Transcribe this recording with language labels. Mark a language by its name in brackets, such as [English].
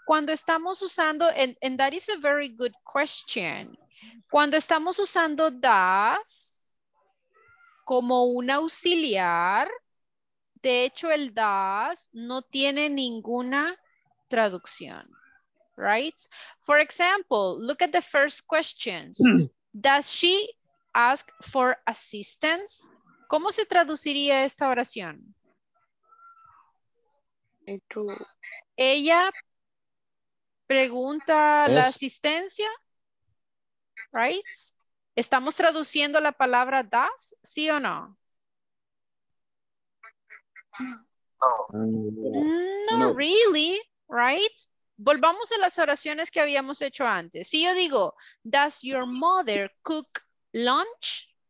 [Spanish] Cuando estamos usando, [English] and that is a very good question. [Spanish] Cuando estamos usando does como un auxiliar, de hecho el does no tiene ninguna traducción, right? [English] For example, look at the first questions. Does she ask for assistance? [Spanish] ¿Cómo se traduciría esta oración? ¿Ella pregunta la asistencia? Right? ¿Estamos traduciendo la palabra does? ¿Sí o no? No. [English] No really, right? [Spanish] Volvamos a las oraciones que habíamos hecho antes. Si yo digo, [English] does your mother cook lunch?